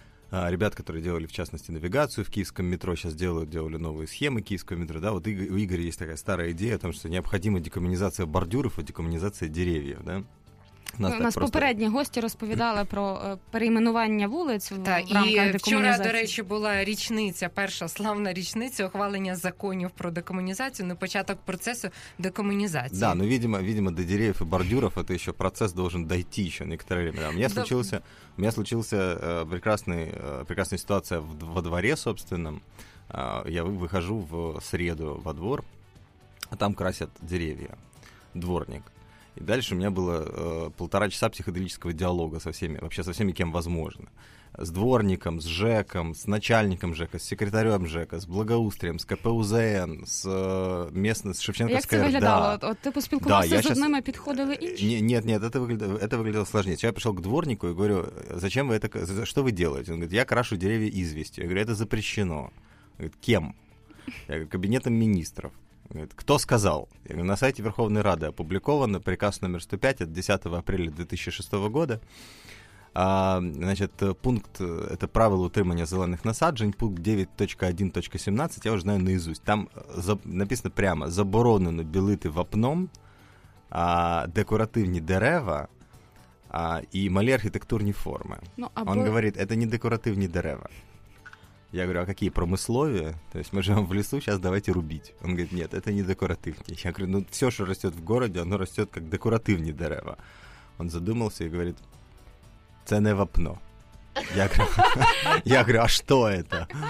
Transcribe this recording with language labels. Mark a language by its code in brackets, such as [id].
[ru] Ребят, которые делали, в частности, навигацию в Киевском метро, сейчас делали новые схемы Киевского метро. Да, вот у Игоря есть такая старая идея о том, что необходима декомунизация бордюров и декомунизация деревьев, да. [uk] У нас просто попередні гості розповідали про перейменування вулиць в рамках декомунізації. Вчора, до речі, була річниця, перша славна річниця ухвалення законів про декомунізацію, на початок процесу декомунізації. [ru] Да, ну, видимо, до деревьев і бордюров це ще процес должен дойти ще некоторе время. [uk] У мене случилася прекрасна ситуація во дворі, собственно. [ru] Я вихожу в среду во двор, а там красять деревья дворник. И дальше у меня было полтора часа психоделического диалога со всеми, вообще со всеми, кем возможно. С дворником, с ЖЭКом, с начальником ЖЭКа, с секретарем ЖЭКа, с благоустрием, с КПУЗН, с Шевченковской. Как это выглядело? Да. [uk] От ты поспілкувався з одними, підходили інші? [ru] Нет, это выглядело сложнее. Я пришел к дворнику и говорю, зачем вы это, что вы делаете? Он говорит, я крашу деревья известью. Я говорю, это запрещено. Он говорит, кем? Я говорю, кабинетом министров. Кто сказал? Я говорю, на сайте Верховной Рады опубликован приказ номер 105 от 10 апреля 2006 года. Значит, пункт, это правило утримания зелених насаджень, пункт 9.1.17, я уже знаю наизусть. Там написано прямо, [uk] заборонено білити вапном декоративні дерева і малі архітектурні форми. [ru] Он говорит, это не [uk] декоративні дерева. [ru] Я говорю, а какие промысловия? То есть мы живем в лесу, сейчас давайте рубить. Он говорит, нет, это не декоративные. Я говорю, ну все, что растет в городе, оно растет как декоративные дерева. Он задумался и говорит, [uk] це не вапно. [ru] Я говорю, а что это?